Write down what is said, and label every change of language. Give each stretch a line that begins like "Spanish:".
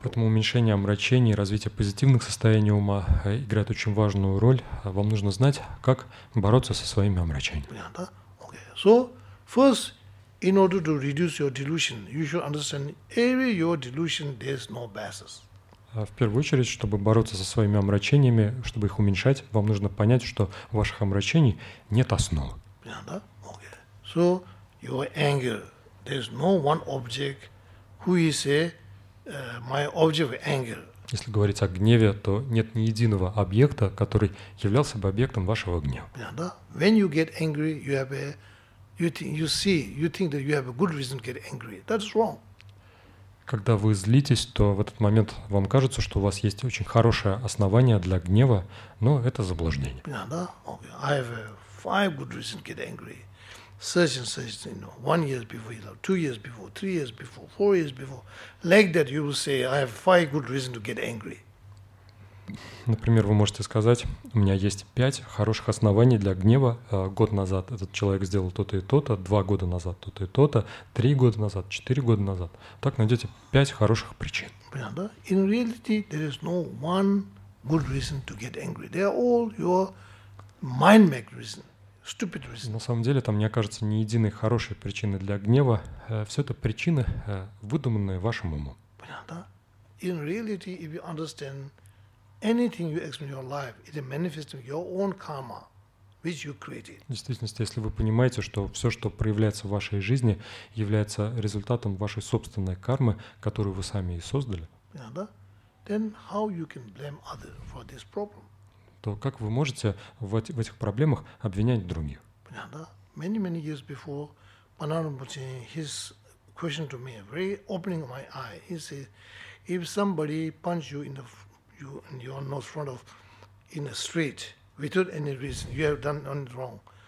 Russian: Поэтому уменьшение омрачений, развитие позитивных состояний ума играет очень важную роль. Вам нужно знать, как бороться со своими омрачениями. Понятно, да? Okay.
English: So, first, in order to reduce your delusion, you should understand every your delusion, there is no basis.
Russian: В первую очередь, чтобы бороться со своими омрачениями, чтобы их уменьшать, вам нужно понять, что в ваших омрачений нет основ. Понятно?
English: Okay. So, your anger. There's no one object who is my object of anger.
Russian: Если говорить о гневе, то нет ни единого объекта, который являлся бы объектом вашего гнева. Понятно?
English: When you get angry, you think that you have a good reason to get angry. That's wrong.
Russian: Когда вы злитесь, то в этот момент вам кажется, что у вас есть очень хорошее основание для гнева, но это заблуждение. Понятно, да?
English: Okay. I have five good reasons to get angry. Such, you know, 1 year before, 2 years before, 3 years before, 4 years before. Like that you will say, I have five good reasons to get angry.
Russian: Например, вы можете сказать, у меня есть 5 хороших оснований для гнева. Год назад этот человек сделал то-то и то-то, 2 года назад то-то и то-то, 3 года назад, 4 года назад. Так найдете 5 хороших причин. Понятно, да?
English: In reality, there is no one good reason to get angry. They are all your mind-make reason, stupid reason.
Russian: На самом деле, там не окажется ни единой хорошей причины для гнева. Все это причины, выдуманные вашим умом. Понятно, да?
English: In reality, if you understand anything you experience in your life, it is manifesting your own karma, which you created.
Russian: В действительности, если вы понимаете, что все, что проявляется в вашей жизни, является результатом вашей собственной кармы, которую вы сами и создали. Yeah, да?
English: Then how you can blame others for this problem?
Russian: То как вы можете в этих проблемах обвинять других? Yeah, да?
English: Many years before, Панарамбути, his question to me, very opening my eye, he said, if somebody punch you in the you're not front of in a street without any reason, you have done nothing wrong.